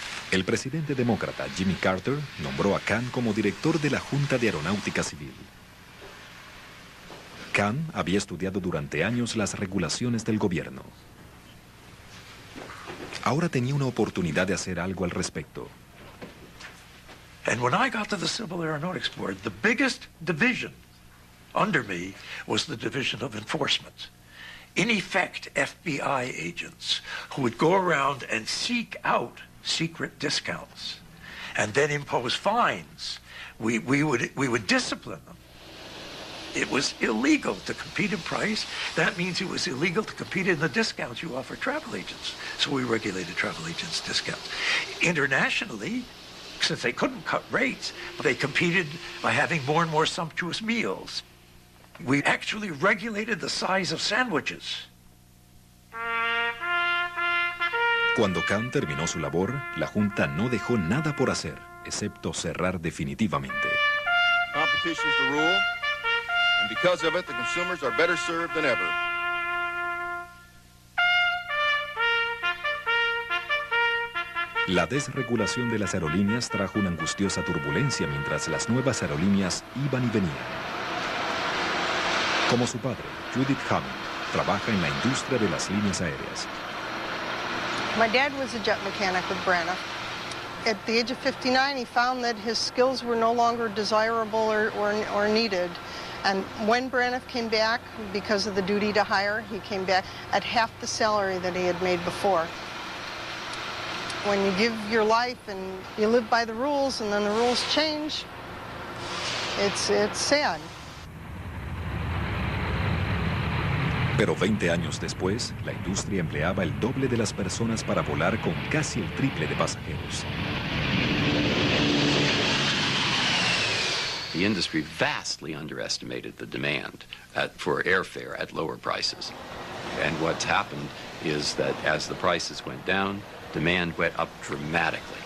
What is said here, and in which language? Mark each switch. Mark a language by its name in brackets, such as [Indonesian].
[Spanish] El presidente demócrata Jimmy Carter nombró a Kahn como director de la Junta de Aeronáutica Civil. Kahn había estudiado durante años las regulaciones del gobierno. Ahora tenía una oportunidad de hacer algo al respecto. [English] And when I got to the Civil Aeronautics Board, the biggest division under me was the Division of Enforcement. In effect, FBI agents who would go around and seek out secret discounts and then impose fines. We would discipline them. It was illegal to compete in price. That means it was illegal to compete in the discounts you offer travel agents. So we regulated travel agents' discounts. Internationally, since they couldn't cut rates, they competed by having more and more sumptuous meals. We actually regulated the size of sandwiches. [Spanish] Cuando Kahn terminó su labor, la Junta no dejó nada por hacer, excepto cerrar definitivamente. [English] Competition is the rule, and because of it, the consumers are better served than ever. [Spanish] La desregulación de las aerolíneas trajo una angustiosa turbulencia mientras las nuevas aerolíneas iban y venían. Como su padre, Judith Hammond, trabaja en la industria de las líneas aéreas. [English] My dad was a jet mechanic with Braniff. At the age of 59, he found that his skills were no longer desirable or needed. And when Braniff came back, because of the duty to hire, he came back at half the salary that he had made before. When you give your life and you live by the rules and then the rules change, it's sad. [Spanish] Pero 20 años después, la industria empleaba el doble de las personas para volar con casi el triple de pasajeros. [English] The industry vastly underestimated the demand for airfare at lower prices. And what's happened is that as the prices went down, demand went up dramatically.